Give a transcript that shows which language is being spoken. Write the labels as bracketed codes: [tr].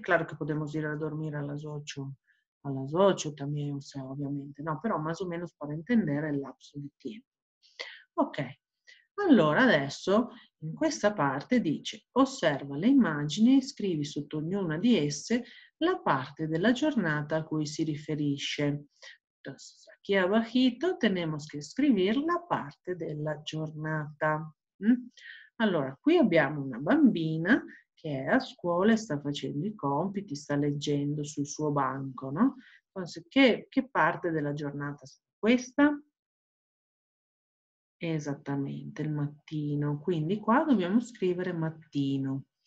[es] Claro que podemos ir a dormir a las 8 también, o sea, obviamente, no, pero más o menos para entender el lapso de tiempo. [it] Ok, allora adesso in questa parte dice: osserva le immagini e scrivi sotto ognuna di esse la parte della giornata a cui si riferisce. [es] Entonces, aquí abajito tenemos que escribir la parte [it] della giornata. Allora, qui abbiamo una bambina che è a scuola e sta facendo i compiti, sta leggendo sul suo banco, no? [es] Entonces, [it] che parte della giornata sta questa? Esattamente, il mattino. Quindi qua dobbiamo scrivere mattino.